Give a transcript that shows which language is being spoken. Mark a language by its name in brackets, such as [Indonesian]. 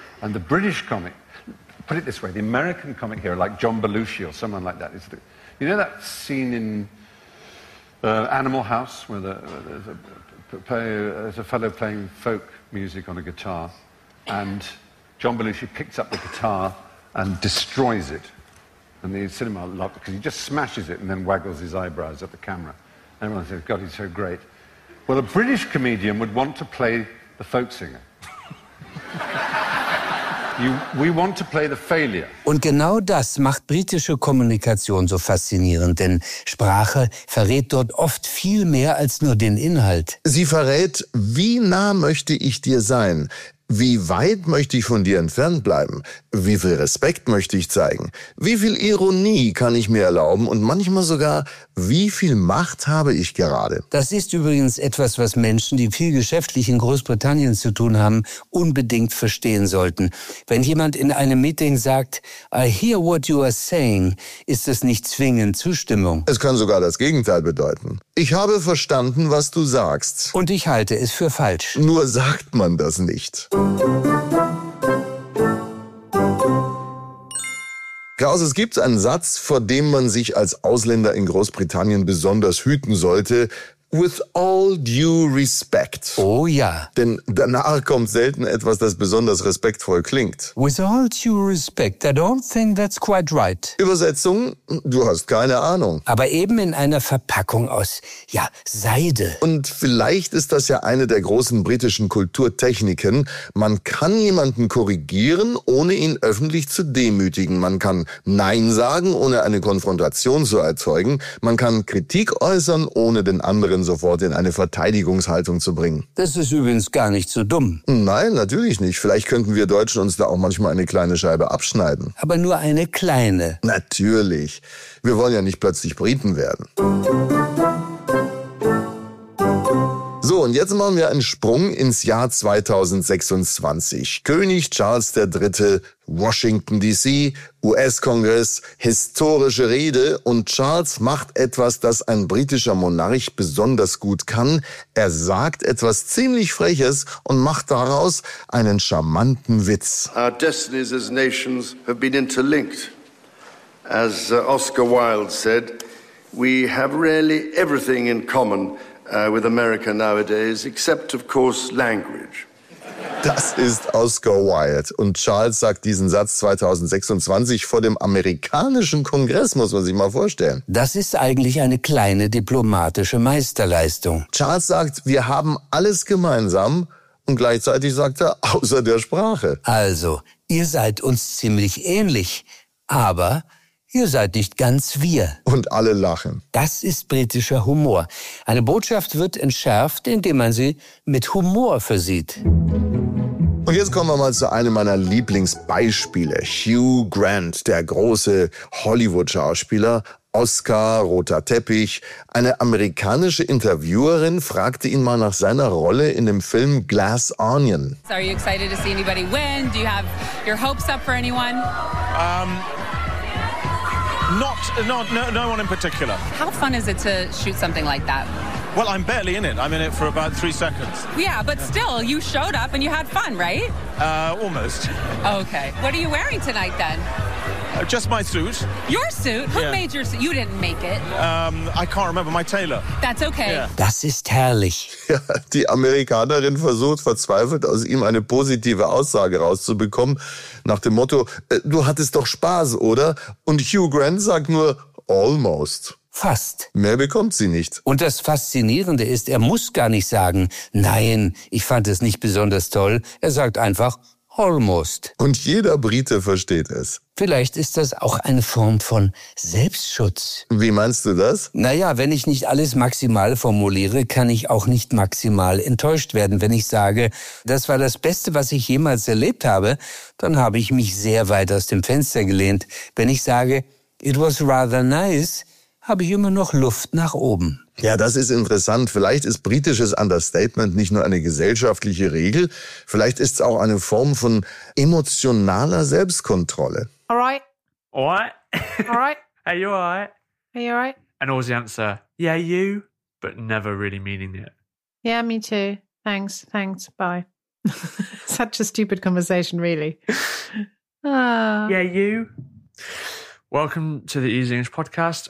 [English] And the British comic, put it this way, the American comic hero, like John Belushi or someone like that, is the, you know that scene in Animal House where there's a fellow playing folk music on a guitar and John Belushi picks up the guitar and destroys it. And the cinema loved it because he just smashes it and then waggles his eyebrows at the camera. Everyone says, God, he's so great. Well, a British comedian would want to play the folk singer. We want to play the failure. [German] Und genau das macht britische Kommunikation so faszinierend, denn Sprache verrät dort oft viel mehr als nur den Inhalt. Sie verrät, wie nah möchte ich dir sein? Wie weit möchte ich von dir entfernt bleiben? Wie viel Respekt möchte ich zeigen? Wie viel Ironie kann ich mir erlauben? Und manchmal sogar, wie viel Macht habe ich gerade? Das ist übrigens etwas, was Menschen, die viel geschäftlich in Großbritannien zu tun haben, unbedingt verstehen sollten. Wenn jemand in einem Meeting sagt, [English] I hear what you are saying, [German] ist das nicht zwingend Zustimmung. Es kann sogar das Gegenteil bedeuten. Ich habe verstanden, was du sagst. Und ich halte es für falsch. Nur sagt man das nicht. Klaus, es gibt einen Satz, vor dem man sich als Ausländer in Großbritannien besonders hüten sollte. [English] With all due respect. [German] Oh ja. Denn danach kommt selten etwas, das besonders respektvoll klingt. [English] With all due respect, I don't think that's quite right. [German] Übersetzung, du hast keine Ahnung. Aber eben in einer Verpackung aus, ja, Seide. Und vielleicht ist das ja eine der großen britischen Kulturtechniken. Man kann jemanden korrigieren, ohne ihn öffentlich zu demütigen. Man kann Nein sagen, ohne eine Konfrontation zu erzeugen. Man kann Kritik äußern, ohne den anderen sofort in eine Verteidigungshaltung zu bringen. Das ist übrigens gar nicht so dumm. Nein, natürlich nicht. Vielleicht könnten wir Deutschen uns da auch manchmal eine kleine Scheibe abschneiden. Aber nur eine kleine. Natürlich. Wir wollen ja nicht plötzlich Briten werden. So, und jetzt machen wir einen Sprung ins Jahr 2026. König Charles III., Washington D.C., US-Kongress, historische Rede und Charles macht etwas, das ein britischer Monarch besonders gut kann. Er sagt etwas ziemlich Freches und macht daraus einen charmanten Witz. [English] Our destinies as nations have been interlinked. As Oscar Wilde said, we have rarely everything in common with America nowadays, except, of course, language. [German] Das ist Oscar Wilde. Und Charles sagt diesen Satz 2026 vor dem amerikanischen Kongress, muss man sich mal vorstellen. Das ist eigentlich eine kleine diplomatische Meisterleistung. Charles sagt, wir haben alles gemeinsam. Und gleichzeitig sagt er, außer der Sprache. Also, ihr seid uns ziemlich ähnlich, aber ihr seid nicht ganz wir. Und alle lachen. Das ist britischer Humor. Eine Botschaft wird entschärft, indem man sie mit Humor versieht. Und jetzt kommen wir mal zu einem meiner Lieblingsbeispiele. Hugh Grant, der große Hollywood-Schauspieler, Oscar, roter Teppich. Eine amerikanische Interviewerin fragte ihn mal nach seiner Rolle in dem Film Glass Onion. [English] So are you excited to see anybody win? Do you have your hopes up for anyone? No one in particular. How fun is it to shoot something like that? Well, I'm barely in it. I'm in it for about 3 seconds. Yeah, but still, you showed up and you had fun, right? Almost. Okay. What are you wearing tonight then? Just my suit. Your suit? Who made your suit? You didn't make it. I can't remember. My tailor. That's okay. Yeah. [German] Das ist herrlich. Ja, die Amerikanerin versucht verzweifelt, aus ihm eine positive Aussage rauszubekommen. Nach dem Motto, du hattest doch Spaß, oder? Und Hugh Grant sagt nur, almost. Fast. Mehr bekommt sie nicht. Und das Faszinierende ist, er muss gar nicht sagen, nein, ich fand es nicht besonders toll. Er sagt einfach, almost. Und jeder Brite versteht es. Vielleicht ist das auch eine Form von Selbstschutz. Wie meinst du das? Naja, wenn ich nicht alles maximal formuliere, kann ich auch nicht maximal enttäuscht werden. Wenn ich sage, das war das Beste, was ich jemals erlebt habe, dann habe ich mich sehr weit aus dem Fenster gelehnt. Wenn ich sage, [English] it was rather nice, [German] habe ich immer noch Luft nach oben. Ja, das ist interessant. Vielleicht ist britisches Understatement nicht nur eine gesellschaftliche Regel, vielleicht ist es auch eine Form von emotionaler Selbstkontrolle. [English] All right. All right. All right. Are you all right? Are you all right? And always the answer, yeah, you, but never really meaning it. Yeah, me too. Thanks. Thanks. Bye. Such a stupid conversation, really. Yeah, you. Welcome to the Easy English Podcast.